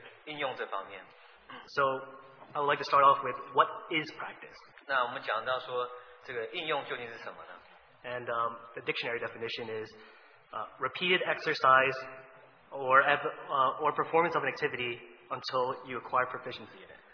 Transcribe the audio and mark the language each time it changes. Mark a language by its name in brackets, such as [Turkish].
[Chinese] 那特别对我来说，印象比较深刻的就是应用这方面。 [English] So, I would like to start off with what is practice? [Chinese] 那我们讲到说，这个应用究竟是什么呢？ [English] And the dictionary definition is repeated exercise or performance of an activity until you acquire proficiency in it.